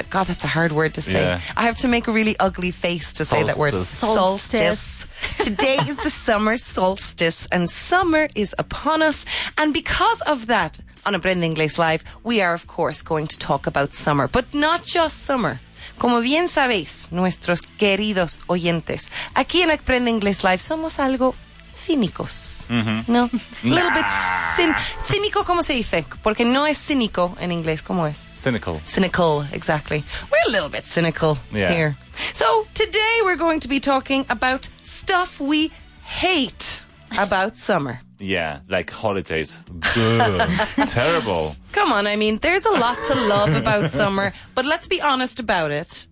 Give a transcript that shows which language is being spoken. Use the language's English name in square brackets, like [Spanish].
[English] God, that's a hard word to say. Yeah. I have to make a really ugly face to say that word. Solstice. Today is the summer solstice, and summer is upon us. And because of that, on Aprende Inglés Live, we are, of course, going to talk about summer. But not just summer. [Spanish] Como bien sabéis, nuestros queridos oyentes, aquí en Aprende Inglés Live somos algo cínicos. Mm-hmm. [English] No? A little bit cínico, [Spanish] ¿cómo se dice? Porque no es cínico en inglés, ¿cómo es? [English] Cynical. Cynical, exactly. We're a little bit cynical here. So, today we're going to be talking about stuff we hate about summer. Yeah, like holidays. Terrible. Come on, I mean, there's a lot to love about summer, but let's be honest about it.